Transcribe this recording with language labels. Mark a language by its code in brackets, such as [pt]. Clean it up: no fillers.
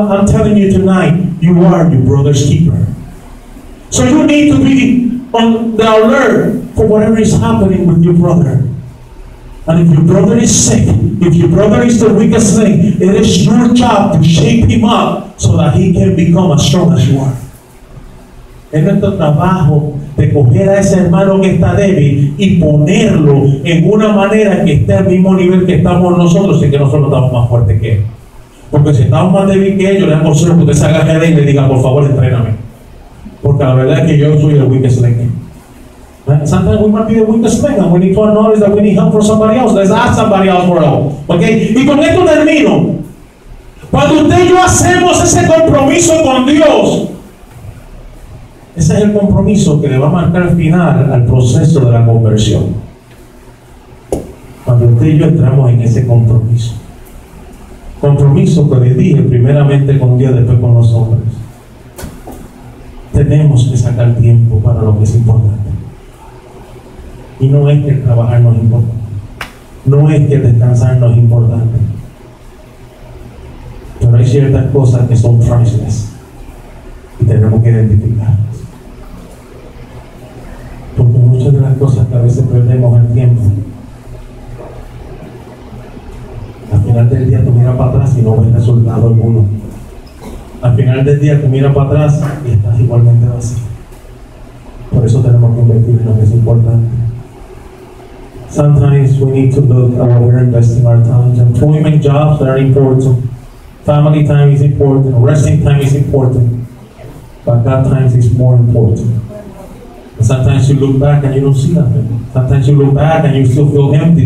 [en] I'm telling you tonight, you are your brother's keeper. So you need to be on the alert for whatever is happening with your brother. And if your brother is sick, if your brother is the weakest thing, it is your job to shape him up so that he can become as strong as you are. [es] Es nuestro trabajo de coger a ese hermano que está débil y ponerlo en una manera que esté al mismo nivel que estamos nosotros y que nosotros estamos más fuertes que él. Porque si estamos más débil que ellos, le aconsejo que usted se agarre a él y le diga, por favor, entréname. Porque la verdad es que yo soy el [en] weakest link. Sometimes we might be the weakest link and we need to acknowledge that we need help for somebody else. Let's ask somebody else for help. Okay? [es] Y con esto termino. Cuando usted y yo hacemos ese compromiso con Dios, ese es el compromiso que le va a marcar al final al proceso de la conversión. Cuando usted y yo entramos en ese compromiso. Compromiso que le dije primeramente con Dios, después con los hombres. Tenemos que sacar tiempo para lo que es importante. Y no es que el trabajar no es importante. No es que el descansar no es importante. Pero hay ciertas cosas que son priceless. Y tenemos que identificarlas. Porque muchas de las cosas que a veces perdemos el tiempo, al final del día tú miras para atrás y no ves resultado alguno. Al final del día tú miras para atrás y estás igualmente vacío. Por eso tenemos que invertir en lo que es importante. [en] Sometimes we need to look at what we're investing our talents. Employment jobs are important. Family time is important. Resting time is important. But God time is more important. And sometimes you look back and you don't see nothing. Sometimes you look back and you still feel empty.